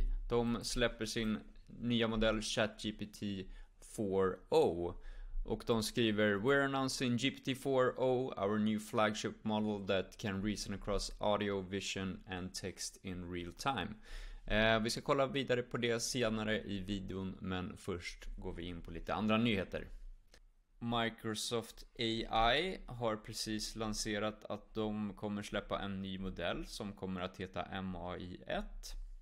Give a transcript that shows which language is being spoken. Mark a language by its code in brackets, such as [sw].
[sv] De släpper sin nya modell ChatGPT 4.0. Och de skriver: [en] "We're announcing GPT 4.0, our new flagship model that can reason across audio, vision and text in real time." [sv] Vi ska kolla vidare på det senare i videon, men först går vi in på lite andra nyheter. Microsoft AI har precis lanserat att de kommer släppa en ny modell som kommer att heta MAI-1.